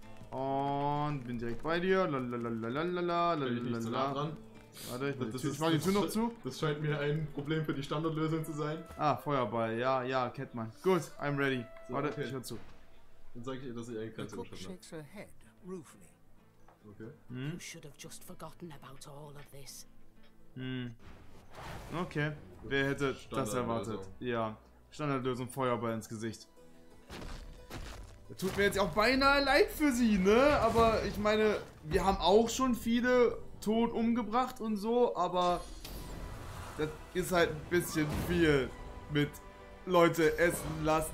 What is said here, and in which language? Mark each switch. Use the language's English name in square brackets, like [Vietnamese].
[German] Und bin direkt bei dir. Ich mache die Tür noch zu. Das scheint mir ein Problem für die Standardlösung zu sein. Ah, Feuerball. Ja, kennt man. Gut, [English] I'm ready. [German] So, warte, okay. Ich höre zu. Dann sage ich ihr, dass ich eine Grenze überschritten habe. Okay. Hm? [English] You should have just forgotten about all of this. [German] Hm. Okay. Wer hätte das erwartet? Ja. Standardlösung, Feuerball ins Gesicht. Das tut mir jetzt auch beinahe leid für sie, ne? Aber ich meine, wir haben auch schon viele tot umgebracht und so, aber das ist halt ein bisschen viel mit Leute essen lassen.